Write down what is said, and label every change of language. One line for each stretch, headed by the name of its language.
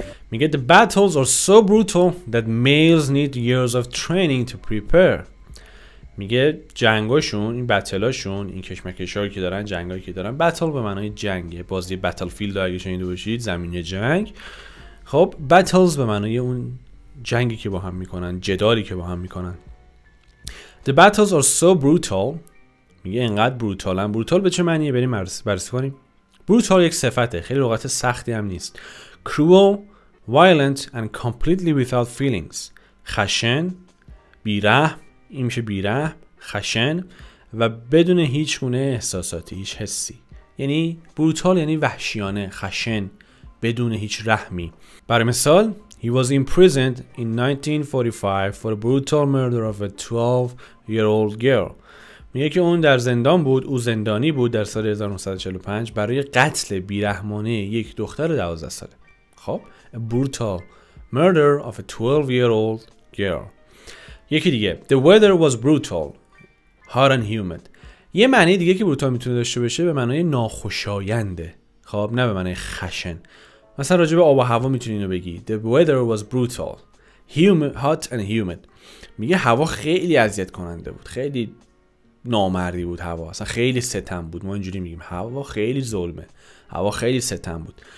English: میگه the battles are so brutal that males need years of training to prepare.
Persian: میگه جنگاشون، این بتلاشون، این کشمکشایی که دارن، جنگایی که دارن، بتل به معنای جنگه، بازی بتلفیلد اگه شنیده باشید، زمین جنگ. خب بتلز به معنای اون جنگی که با هم میکنن، جدالی که با هم میکنن.
English: The battles are so brutal.
Persian: میگه اینقدر بروتالن. بروتال به چه معنیه؟ بریم بررسی کنیم. Brutal یک صفته، خیلی لغت سختی هم نیست.
English: Cruel, violent and completely without feelings.
Persian: خشن، بیره، این میشه بیره، خشن و بدون هیچ گونه احساساتی، هیچ حسی. یعنی بروتال یعنی وحشیانه، خشن، بدون هیچ رحمی. برای مثال
English: He was imprisoned in 1945 for a brutal murder of a 12-year-old girl.
Persian: میگه که اون در زندان بود، او زندانی بود در سال 1945 برای قتل بیرحمانه یک دختر 12 ساله.
English: خب A brutal murder of a 12-year-old girl.
Persian: یکی دیگه
English: The weather was brutal, hot and humid.
Persian: یه معنی دیگه که بروتال میتونه داشته باشه به معنای ناخوشاینده، خب نه به معنی خشن. مثلا راجع به آب و هوا میتونی اینو بگی
English: The weather was brutal, hot and humid.
Persian: میگه هوا خیلی اذیت کننده بود، خیلی نامردی بود هوا، اصلا خیلی ستم بود. ما اینجوری میگیم هوا خیلی ظلمه، هوا خیلی ستم بود.